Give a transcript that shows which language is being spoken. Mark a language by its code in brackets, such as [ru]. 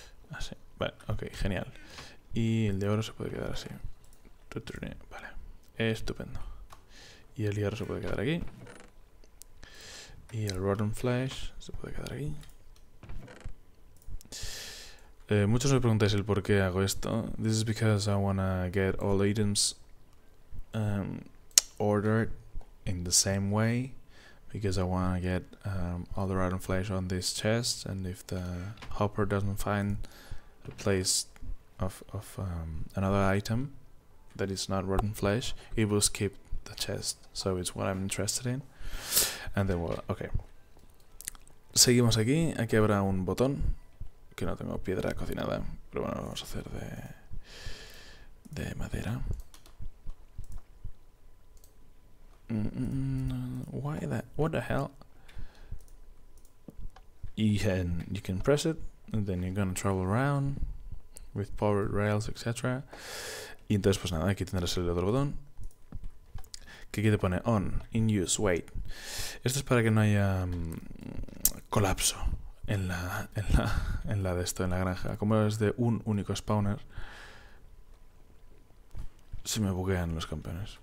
[es] Así, vale, ok, genial. Y el de oro se puede quedar así. Vale, estupendo. Y el hierro se puede quedar aquí. Y el rotten flesh se puede quedar aquí. Muchos me preguntáis el por qué hago esto. [en] This is because I wanna get all items ordered in the same way, because I wanna get all the rotten flesh on this chest, and if the hopper doesn't find a place of another item that is not rotten flesh, it will skip the chest. So it's what I'm interested in. And then we'll, okay. [es] Seguimos aquí. Aquí habrá un botón. Que no tengo piedra cocinada, pero bueno, lo vamos a hacer de madera. [en] Why that? What the hell? You can press it, and then you're gonna travel around with powered rails, etc. [es] Y entonces, pues nada, aquí tendrás el otro botón. Que aquí te pone [en] on, in use, wait. [es] Esto es para que no haya colapso. En la granja. Como es de un único spawner, se me buguean los campeones.